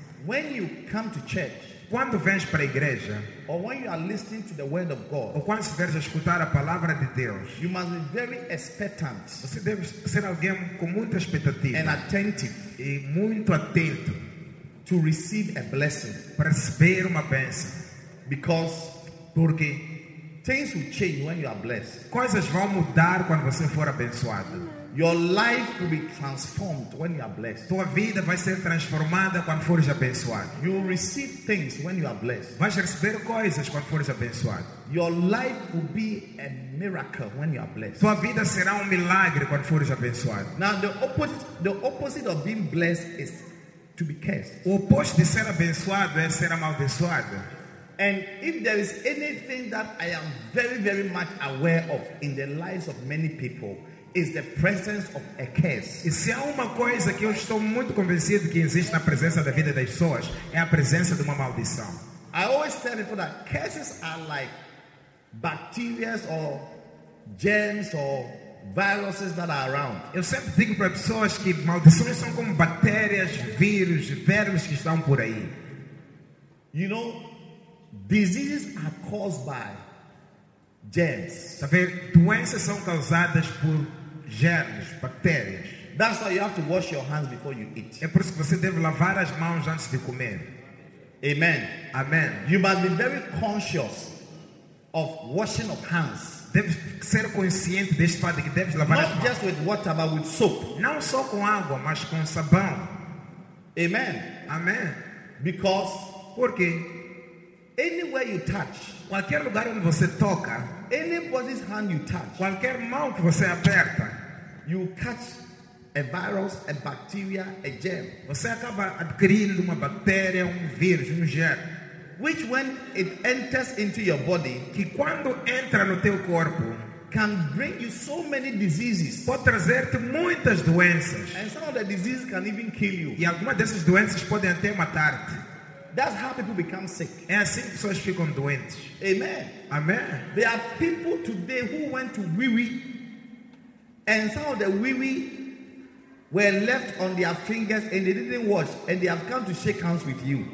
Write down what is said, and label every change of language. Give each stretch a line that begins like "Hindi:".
English: When you come to church,
Portuguese: quando vens para a igreja,
English: or when you are listening to the word of God,
Portuguese: ou quando estiveres a escutar a palavra de Deus,
English: you must be very expectant.
Portuguese: Você deve ser alguém com muita expectativa,
English: and attentive,
Portuguese: e muito atento,
English: to receive a blessing,
Portuguese: para receber uma bênção,
English: because
Portuguese: porque
English: things will change when you are blessed.
Portuguese: Coisas vão mudar quando você for abençoado.
English: Your life will be transformed when you are blessed.
Portuguese: Tua vida vai ser transformada quando fores abençoado.
English: You will receive things when you are blessed.
Portuguese: Vais receber coisas quando fores abençoado.
English: Your life will be a miracle when you are blessed.
Portuguese: Tua vida será milagre quando fores abençoado.
English: Now the opposite of being blessed is to be cursed.
Portuguese: O oposto de ser abençoado é ser amaldiçoado.
English: And if there is anything that I am very, very much aware of in the lives of many people, is the presence of a curse.
Portuguese: E se há uma coisa que eu estou muito convencido que existe na presença da vida das pessoas, é a presença de uma maldição.
English: I always tell people that curses are like bacteria or germs or viruses that are around.
Portuguese: Eu sempre digo para pessoas que maldições são como bactérias, vírus, vermes que estão por aí.
English: You know, diseases are caused by germs.
Portuguese: Saber, doenças são causadas por germes, bactérias.
English: That's why you have to wash your hands before you eat.
Portuguese: É por isso que você deve lavar as mãos antes de comer.
English: Amen.
Portuguese: Amen.
English: You must be very conscious of washing of hands.
Portuguese: Deve ser consciente deste fato de que deve lavar
English: not
Portuguese: as mãos.
English: Not just with water, but with soap.
Portuguese: Não só com água, mas com sabão.
English: Amen.
Portuguese: Amen.
English: Because
Portuguese: porque
English: anywhere you touch,
Portuguese: qualquer lugar onde você toca,
English: anybody's hand you touch,
Portuguese: qualquer mão que você aperta,
English: you catch a virus, a bacteria, a germ.
Portuguese: Você acaba adquirindo uma bactéria, vírus, germ.
English: Which when it enters into your body,
Portuguese: que quando entra no teu corpo,
English: can bring you so many diseases.
Portuguese: Pode trazer-te muitas doenças.
English: And some of the diseases can even kill you.
Portuguese: E algumas dessas doenças podem até matar-te.
English: That's how people become sick.
Portuguese: É assim que pessoas ficam doentes.
English: Amen.
Portuguese: Amen.
English: There are people today who went to wiwi, and some of the wiwi were left on their fingers and they didn't wash, and they have come to shake hands with you.